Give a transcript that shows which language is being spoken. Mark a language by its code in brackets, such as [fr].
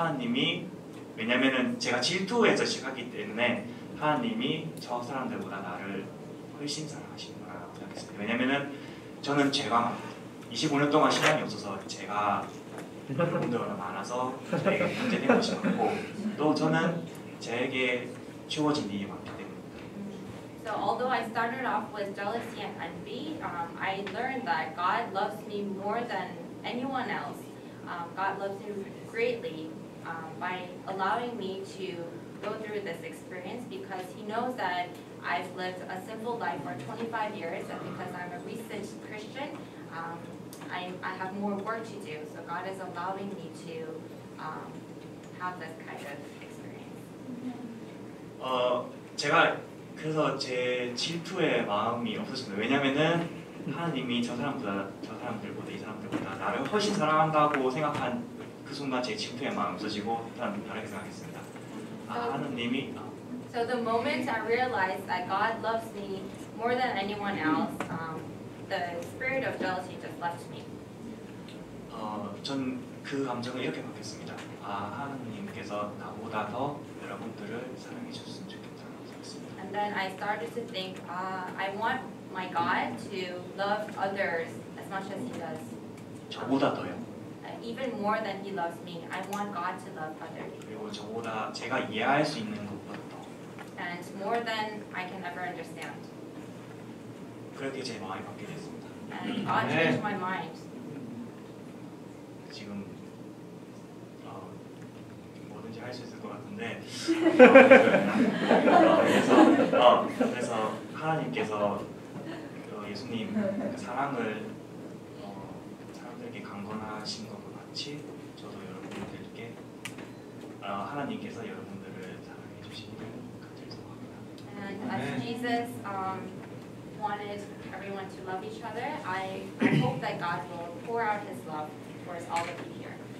[ko] 하나님이 왜냐면은 제가 질투에서 시작하기 때문에 하나님이 저 사람들보다 나를 훨씬 사랑하시는구나 생각했습니다. 왜냐면은 저는 제가 25년 동안 시간이 없어서 제가 부분들이 많아서 제가 견제된 것이 많고 또 저는 제게 주어진 일이 많기 때문입니다. [en] So although I started off with jealousy and envy, I learned that God loves me more than anyone else. God loves me greatly. By allowing me to go through this experience because he knows that I've lived a simple life for 25 years and because I'm a recent Christian, I have more work to do, so God is allowing me to have this kind of experience. [ko] 제가 그래서 제 질투의 마음이 없었습니다. 왜냐면은 하나님이 저 사람보다 저 사람들보다 이 사람들보다 나를 훨씬 사랑한다고 생각한 그 순간 제 질투의 마음 없어지고 저는 다르게 생각했습니다. 아, 하나님이 [en] So the moment I realized that God loves me more than anyone else, the spirit of jealousy just left me. [ko] 전 그 감정을 이렇게 바뀌었습니다. 아, 하나님께서 나보다 더 여러분들을 사랑해 주셨으면 좋겠다. [en] And then I started to think, I want my God to love others as much as he does. [ko] 저보다 더요? [en] Even more than he loves me, I want God to love others. [ko] 그리고 저보다 제가 이해할 수 있는 것보다 더. [en] And more than I can ever understand. [ko] 그렇게 제 마음이 바뀌게 됐습니다. [en] And God changed my mind. [ko] 지금 뭐든지 할 수 있을 것 같은데 그래서 하나님께서 예수님 사랑을 사람들에게 강권하신 것과 같이 저도 여러분들께 하나님께서 여러분들을 사랑해 주시는 것 같아서 [en] And as Jesus wanted everyone to love each other, I hope that God will pour out His love towards all of you here.